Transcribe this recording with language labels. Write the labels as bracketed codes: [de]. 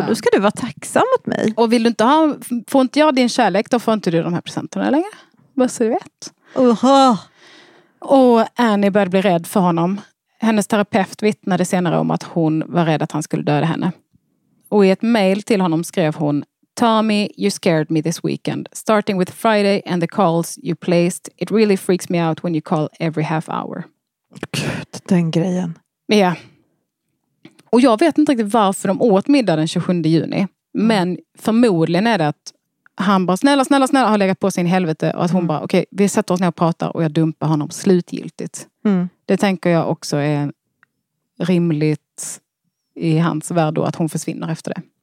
[sv] Ja. Då ska du vara tacksam mot mig. Och vill du inte ha, får inte jag din kärlek, då får inte du de här presenterna längre. Vad så du vet. Oha. Och Annie började bli rädd för honom. Hennes terapeut vittnade senare om att hon var rädd att han skulle döda henne. Och i ett mejl till honom skrev hon: Tommy, [en] you scared me this weekend. Starting with Friday and the calls you placed. It really freaks me out when you call every half hour. [sv] Gud, den grejen. Ja. Och jag vet inte riktigt varför de åt middag den 27 juni. Men förmodligen är det att han bara snälla, snälla, snälla har legat på sin helvete. Och att hon bara, okej, vi sätter oss ner och pratar och jag dumpar honom slutgiltigt. Mm. Det tänker jag också är rimligt i hans värld då, att hon försvinner efter det.